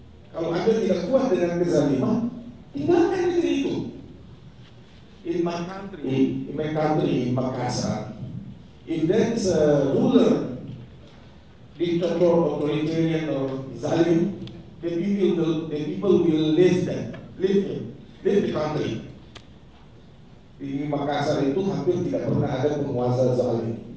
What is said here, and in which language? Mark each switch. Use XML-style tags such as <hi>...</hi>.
<id>Kalau Anda tidak kuat dengan kezaliman, tinggalkan negeri itu.</id> <en>In my country, in Makassar, if there is a ruler, dictator, authoritarian, or zalim, the people will leave the country.</en> <id>Di Makassar itu hampir tidak pernah ada penguasa zalim.</id>